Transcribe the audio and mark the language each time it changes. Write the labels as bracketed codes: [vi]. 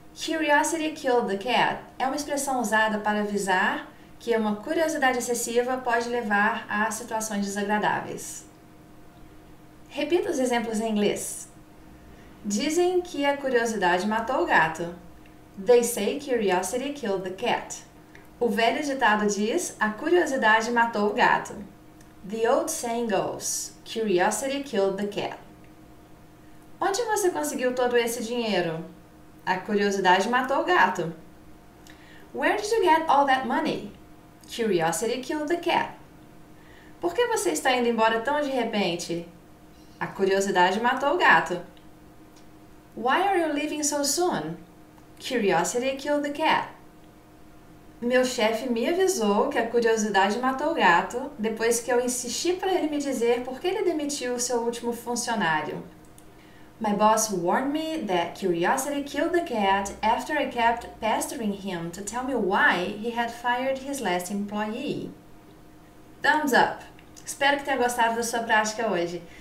[en] Curiosity killed the cat [pt] é uma expressão usada para avisar que uma curiosidade excessiva pode levar a situações desagradáveis. Repita os exemplos em inglês. Dizem que a curiosidade matou o gato. [en] They say curiosity killed the cat. [pt] O velho ditado diz: a curiosidade matou o gato. [en] The old saying goes: curiosity killed the cat. [pt] Onde você conseguiu todo esse dinheiro? A curiosidade matou o gato. [en] Where did you get all that money? Curiosity killed the cat. [pt] Por que você está indo embora tão de repente? A curiosidade matou o gato. [en] Why are you leaving so soon? Curiosity killed the cat. [pt] Meu chefe me avisou que a curiosidade matou o gato depois que eu insisti para ele me dizer por que ele demitiu o seu último funcionário. [en] My boss warned me that curiosity killed the cat after I kept pestering him to tell me why he had fired his last employee. Thumbs up! [pt] Espero que tenha gostado da sua prática hoje.